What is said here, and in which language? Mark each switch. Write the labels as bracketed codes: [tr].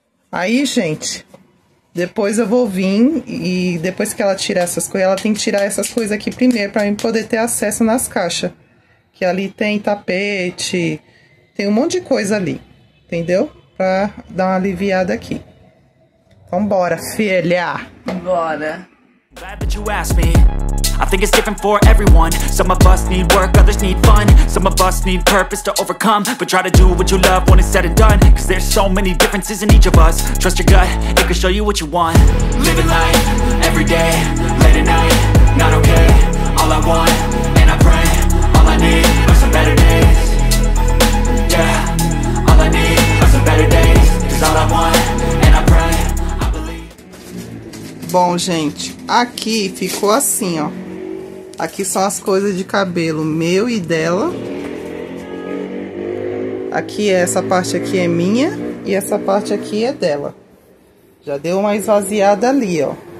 [pt] Aí, gente, depois eu vou vir e depois que ela tirar essas coisas, ela tem que tirar essas coisas aqui primeiro pra mim poder ter acesso nas caixas. Que ali tem tapete, tem um monte de coisa ali. Entendeu? Pra dar uma aliviada aqui. Vambora, filha! Bora! [en] Glad that you asked me. I think it's different for everyone. Some of us need work, others need fun. Some of us need purpose to overcome. But try to do what you love when it's said and done. Cause there's so many differences in each of us. Trust your gut, it can show you what you want. Living life, every day, late at night, not okay. All I want, and I pray, all I need are some better days. Yeah, all I need are some better days. Cause all I want, and I pray, I believe. [pt] Bom, gente, aqui ficou assim, ó. Aqui são as coisas de cabelo meu e dela. Aqui, essa parte aqui é minha e essa parte aqui é dela. Já deu uma esvaziada ali, ó.